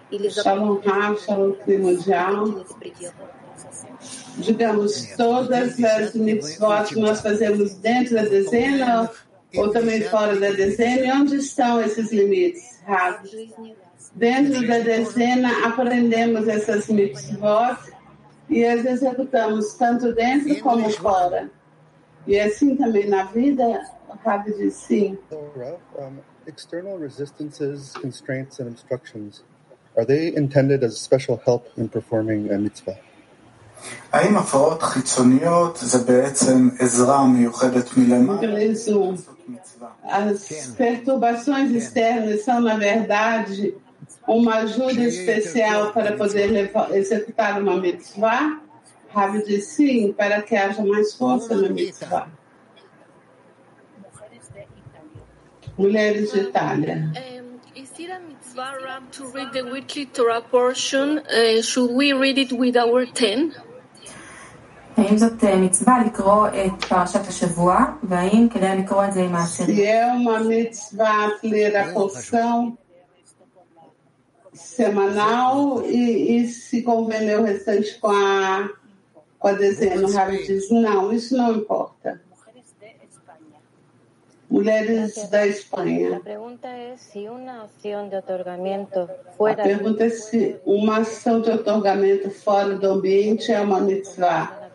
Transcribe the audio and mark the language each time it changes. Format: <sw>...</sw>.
<pt>Shalom Rav, Shalom Clima de Alma. Digamos, todas as mitzvot que nós fazemos dentro da dezena ou também fora da dezena, e onde estão esses limites, Rav? Dentro da dezena, aprendemos essas mitzvot e as executamos tanto dentro como fora. E assim também na vida, Rav diz sim.</pt> <en>External resistances, constraints, and obstructions, are they intended as special help in performing a mitzvah?</en> <he>האם הפרעות חיצוניות זה בעצם עזרה מיוחדת מלמעלה?</he> <pt>As perturbações externas são, na verdade, uma ajuda especial para poder executar uma mitzvah? Rabi diz sim, para que haja mais força na mitzvah. Mulheres de Itália.</pt> <en>Is it a mitzvah, Rav, to read the weekly Torah portion? Should we read it with our ten?</en> <he>האם זאת מצווה לקרוא את פרשת השבוע, והאם כדאי לקרוא את זה עם האחרים?</he> <pt>Se é uma mitzvah ler a porção semanal e se convém o restante com a dezena, Rav diz, não, isso não importa.</pt> <es>mujeres de España. La pregunta es si una acción de otorgamiento fuera. La pregunta es si una acción de otorgamiento fuera del ambiente es una mitzvá.</es>